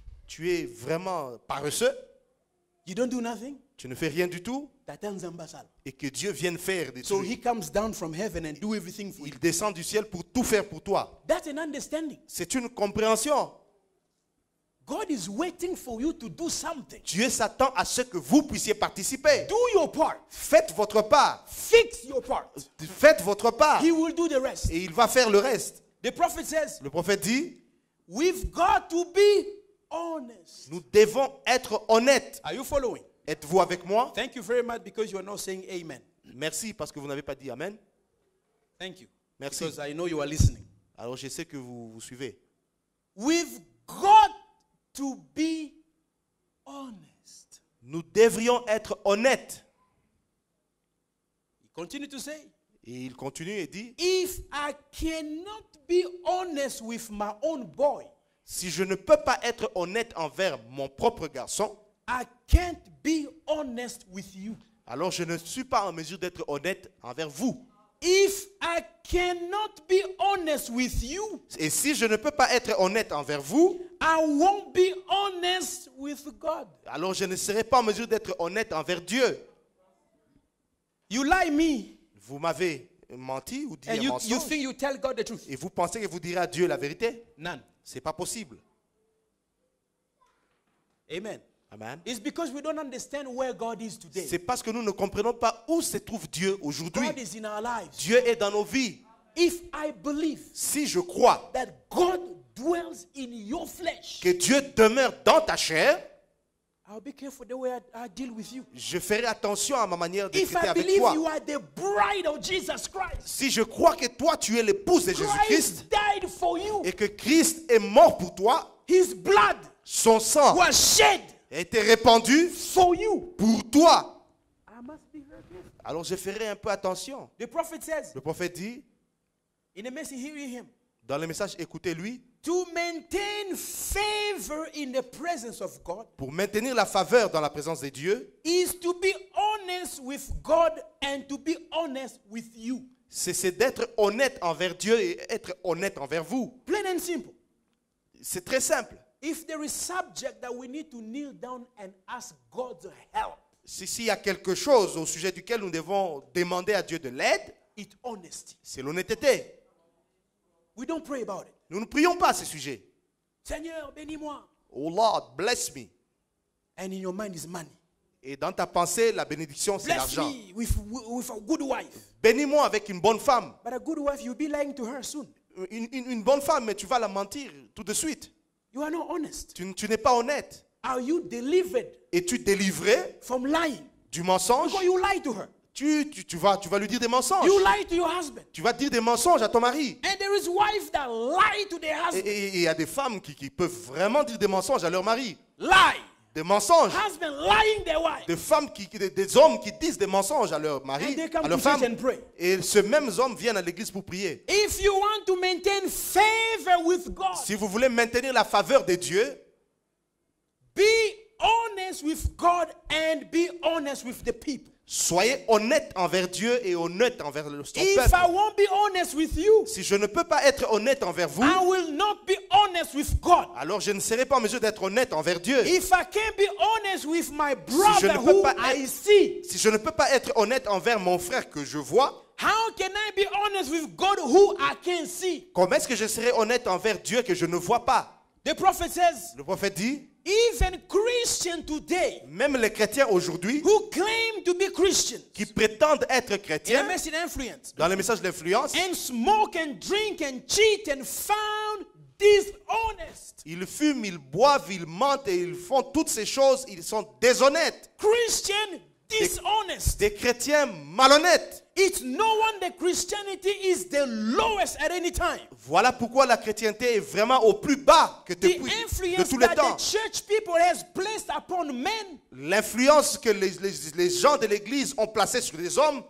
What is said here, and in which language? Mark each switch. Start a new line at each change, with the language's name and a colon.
French: Tu es vraiment paresseux.
English: You don't do nothing.
French: Tu ne fais rien du tout. Et que Dieu vienne faire des
English: trucs. So he comes down from heaven and do everything for
French: you. Il descend du ciel pour tout faire pour toi.
English: That's an understanding.
French: C'est une compréhension.
English: God is waiting for you to do something.
French: Dieu s'attend à ce que vous puissiez participer.
English: Do your part.
French: Faites votre part.
English: Fix your part.
French: Faites votre part.
English: He will do the rest.
French: Et il va faire le reste.
English: The prophet says.
French: Le prophète dit.
English: We've got to be honest.
French: Nous devons être honnêtes.
English: Are you following?
French: Êtes-vous avec moi?
English: Thank you very much because you are not saying amen.
French: Merci parce que vous n'avez pas dit amen.
English: Thank you.
French: Merci.
English: Because I know you are listening.
French: Alors je sais que vous suivez.
English: We've got to be honest.
French: Nous devrions être honnêtes.
English: He continue to say.
French: Et il continue et dit.
English: If I cannot be honest with my own boy.
French: Si je ne peux pas être honnête envers mon propre garçon.
English: I can't be honest with you.
French: Alors je ne suis pas en mesure d'être honnête envers vous.
English: If I cannot be honest with you,
French: et si je ne peux pas être honnête envers vous,
English: I won't be honest with God.
French: Alors je ne serai pas en mesure d'être honnête envers Dieu.
English: You lie me.
French: Vous m'avez menti ou dit un mensonge.
English: You think you tell God the truth.
French: Et vous pensez que vous direz à Dieu la vérité?
English: None.
French: C'est pas possible.
English: Amen.
French: Amen.
English: It's because we don't understand where God is today.
French: C'est parce que nous ne comprenons pas où se trouve Dieu aujourd'hui.
English: God is in our lives.
French: Dieu est dans nos vies.
English: If I believe,
French: si je crois,
English: that God dwells in your flesh,
French: que Dieu demeure dans ta chair,
English: I'll be careful the way I deal with you.
French: Je ferai attention à ma manière de
English: if
French: traiter
English: I
French: avec
English: believe
French: toi.
English: You are the bride of Jesus Christ,
French: si je crois que toi tu es l'épouse de
English: Jésus-Christ, died for you,
French: et que Christ est mort pour toi,
English: his blood,
French: son sang,
English: was shed,
French: a été répandu
English: for you,
French: pour toi.
English: I must be
French: alors je ferai un peu attention.
English: The prophet says,
French: le prophète dit,
English: in the message, hear him,
French: dans le message, écoutez-lui,
English: to maintain favor in the presence of God,
French: pour maintenir la faveur dans la présence de Dieu,
English: is to be honest with God and to be honest with you.
French: C'est d'être honnête envers Dieu et être honnête envers vous.
English: Plain and simple.
French: C'est très simple.
English: If there is subject that we need to kneel down and ask God's help,
French: s'il y a quelque chose au sujet duquel nous devons demander à Dieu de l'aide,
English: it's honesty.
French: C'est l'honnêteté.
English: We don't pray about it.
French: Nous ne prions pas à ce sujet. Seigneur, bénis-moi.
English: Oh Lord, bless me. And in your mind is money.
French: Et dans ta pensée, la bénédiction, c'est
English: bless
French: l'argent.
English: Me with a good wife.
French: Bénis-moi avec une bonne femme.
English: But a good wife, you'll be lying to her soon.
French: Une bonne femme, mais tu vas la mentir tout de suite.
English: You are not honest.
French: Tu n'es pas honnête.
English: Are you delivered?
French: Es-tu délivré
English: from lying?
French: Du mensonge?
English: Because you lie to her.
French: Tu vas lui dire des mensonges.
English: You lie to your husband.
French: Tu vas dire des mensonges à ton mari.
English: And there is wives that lie to their husband.
French: Et il y a des femmes qui peuvent vraiment dire des mensonges à leur mari.
English: Lie.
French: Des mensonges.
English: Husband lying their wife.
French: Des femmes des hommes qui disent des mensonges à leur mari,
English: and they come
French: à leur femme.
English: To church and pray.
French: Et ces mêmes hommes viennent à l'église pour prier.
English: If you want to maintain favor with God,
French: si vous voulez maintenir la faveur de Dieu,
English: be honest with God and be honest with the people.
French: Soyez honnête envers Dieu et honnête envers le peuple.
English: If I won't be honest with you,
French: si je ne peux pas être honnête envers vous,
English: I will not be honest with God.
French: Alors je ne serai pas en mesure d'être honnête envers Dieu.
English: If I can't be honest with my brother who I see,
French: si je ne peux pas être honnête envers mon frère que je vois,
English: how can I be honest with God who I can't see?
French: Comment est-ce que je serai honnête envers Dieu que je ne vois pas?
English: The prophet says,
French: le prophète dit,
English: even Christians today,
French: même les chrétiens aujourd'hui,
English: who claim to be Christians,
French: qui prétendent être chrétiens,
English: in the message influence,
French: dans le message d'influence,
English: and smoke and drink and cheat and found dishonest.
French: Ils fument, ils boivent, ils mentent et ils font toutes ces choses. Ils sont déshonnêtes.
English: Christian dishonest.
French: Des chrétiens malhonnêtes.
English: It's no wonder Christianity is the lowest at any time.
French: Voilà pourquoi la chrétienté est vraiment au plus bas que depuis de tous les temps.
English: The church people has placed upon men,
French: l'influence que les gens de l'église ont placée sur les hommes,